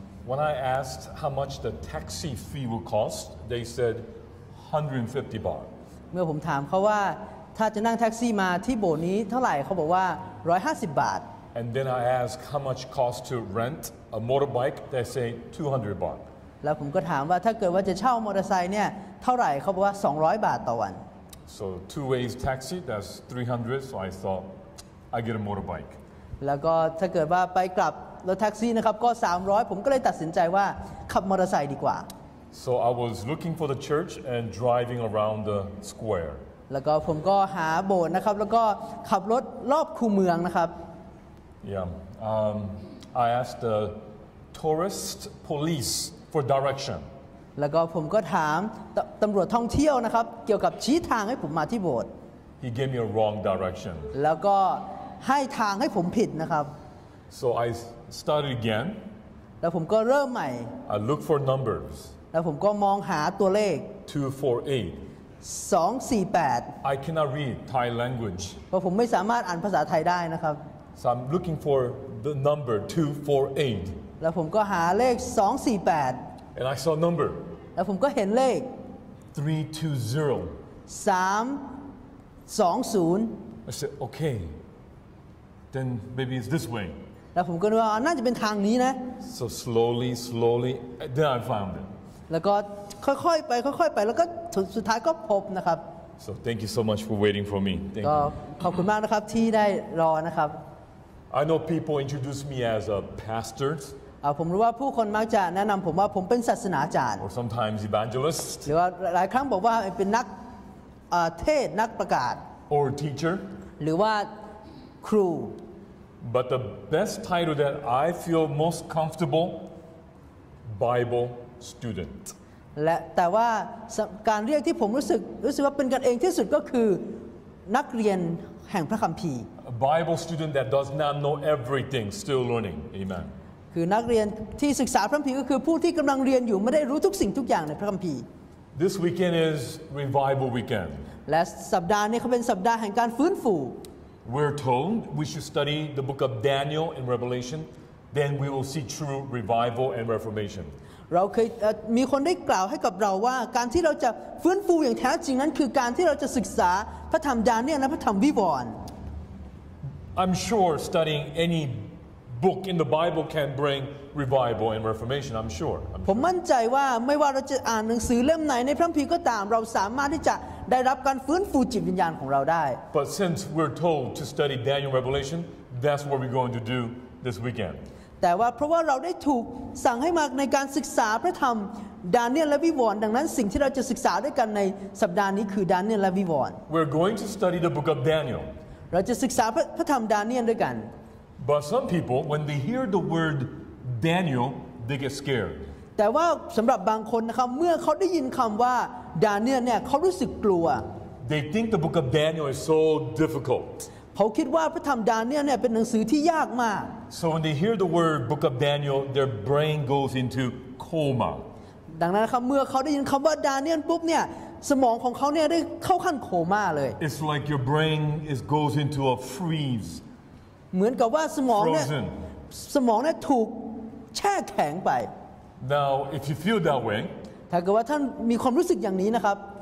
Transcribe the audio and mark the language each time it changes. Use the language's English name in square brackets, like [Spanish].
[English] When I asked how much the taxi fee would cost, they said 150 baht. [Thai] เมื่อผมถามเขาว่าถ้าจะนั่งแท็กซี่มาที่โบสถ์นี้เท่าไหร่เขาบอกว่า150บาท [English] And then I asked how much cost to rent a motorbike, they say 200 baht. [Thai] แล้วผมก็ถามว่าถ้าเกิดว่าจะเช่ามอเตอร์ไซค์เนี่ยเท่าไหร่เขาบอกว่า200บาทต่อวัน [English] So two ways taxi, that's 300, so I thought I get a motorbike. [Thai] แล้วก็ถ้าเกิดว่าไปกลับรถแท็กซี่นะครับก็300ผมก็เลยตัดสินใจว่าขับมอเตอร์ไซค์ดีกว่า [English] So I was looking for the church and driving around the square. [Thai] แล้วก็ผมก็หาโบสถ์นะครับแล้วก็ขับรถรอบคูเมืองนะครับ [English] Yeah. I asked the tourist police for direction. [Thai] แล้วก็ผมก็ถามตำรวจท่องเที่ยวนะครับเกี่ยวกับชี้ทางให้ผมมาที่โบสถ์ [English] He gave me a wrong direction. [Thai] แล้วก็ให้ทางให้ผมผิดนะครับ [English] So I started again. [Thai] แล้วผมก็เริ่มใหม่ [English] I looked for numbers. [Thai] แล้วผมก็มองหาตัวเลข [English] 248 [Thai] 248 [English] I cannot read Thai language. [Thai] เพราะผมไม่สามารถอ่านภาษาไทยได้นะครับ [English] So I'm looking for the number 248. [Thai] แล้วผมก็หาเลข248. [English] And I saw number. [Thai] แล้วผมก็เห็นเลข [English] 320. [Thai] 320. [English] I said okay. Then maybe it's this way. [Thai] แล้วผมก็ว่าน่าจะเป็นทางนี้นะ [English] So slowly, slowly, then I found it. [Thai] แล้วก็ค่อยๆไปค่อยๆไปแล้วก็สุดท้ายก็พบนะครับ [English] So thank you so much for waiting for me. Thank you. [Thai] ขอบคุณมากนะครับที่ได้รอนะครับ [English] I know people introduce me as a pastor. [Thai] ผมรู้ว่าผู้คนมักจะแนะนำผมว่าผมเป็นศาสนาจารย์ [English] Or sometimes evangelist. [Thai] หรือว่าหลายครั้งบอกว่าเป็นนักเทศน์นักประกาศ [English] Or teacher. [Thai] หรือว่าครู [English] But the best title that I feel most comfortable, Bible student. [Thai] และแต่ว่าการเรียกที่ผมรู้สึกว่าเป็นกันเองที่สุดก็คือนักเรียนแห่งพระคัมภีร์ [English] Bible student that does not know everything, still learning. Amen. [Thai] คือนักเรียนที่ศึกษาพระคัมภีร์ก็คือผู้ที่กำลังเรียนอยู่ไม่ได้รู้ทุกสิ่งทุกอย่างในพระคัมภีร์ [English] This weekend is revival weekend. [Thai] และสัปดาห์นี้เขาเป็นสัปดาห์แห่งการฟื้นฟู [English] We're told we should study the book of Daniel and Revelation, then we will see true revival and reformation. [Thai] เราเคยมีคนได้กล่าวให้กับเราว่าการที่เราจะฟื้นฟูอย่างแท้จริงนั้นคือการที่เราจะศึกษาพระธรรมดาเนียลและพระธรรมวิวรณ์ [English] I'm sure studying any book in the Bible can bring revival and reformation. I'm sure. [Thai] ผมมั่นใจว่าไม่ว่าเราจะอ่านหนังสือเล่มไหนในพระคัมภีร์ก็ตามเราสามารถที่จะได้รับการฟื้นฟูจิตวิญญาณของเราได้ [English] But since we're told to study Daniel Revelation, that's what we're going to do this weekend. [Thai] แต่ว่าเพราะว่าเราได้ถูกสั่งให้มาในการศึกษาพระธรรมดาเนียลและวิวรณ์ดังนั้นสิ่งที่เราจะศึกษาด้วยกันในสัปดาห์นี้คือดาเนียลและวิวรณ์ [English] We're going to study the book of Daniel. [Thai] เราจะศึกษาพระธรรมดาเนียลด้วยกัน [English] But some people when they hear the word Daniel they get scared [Thai] แต่ว่าสำหรับบางคนนะครับเมื่อเขาได้ยินคำว่าดาเนียลเนี่ยเขารู้สึกกลัว [English] They think the book of Daniel is so difficult [Thai] เขาคิดว่าพระธรรมดาเนียลเนี่ยเป็นหนังสือที่ยากมาก [English] So when they hear the word book of Daniel their brain goes into coma [Thai] ดังนั้นครับเมื่อเขาได้ยินคำว่าดาเนียลปุ๊บเนี่ยสมองของเขาเนี่ยได้เข้าขั้นโคม่าเลย [English] It's like your brain is goes into a freeze [Thai] เหมือนกับว่าสมองเนี่ยสมองเนี่ยถูกแช่แข็งไป [English] Now if you feel that way [Thai] ถ้าเกิดว่าท่านมีความรู้สึกอย่างนี้นะครับ